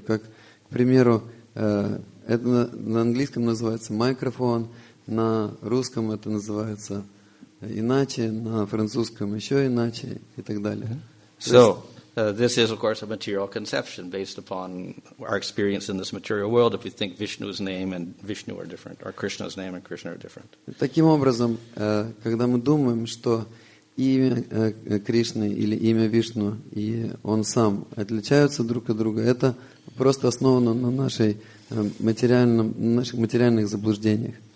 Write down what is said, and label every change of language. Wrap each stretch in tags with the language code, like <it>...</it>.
<ru>Как, к примеру, это на английском называется «микрофон», на русском это называется иначе, на французском еще иначе и так далее.</ru> <en>So, this is, of course, a material conception based upon our experience in this material world. If we think Vishnu's name and Vishnu are different, or Krishna's name and Krishna are different.</en> <ru>Таким образом, когда мы думаем, что имя Кришны или имя Вишну и он сам отличаются друг от друга, это просто основано на наших материальных заблуждениях.</ru>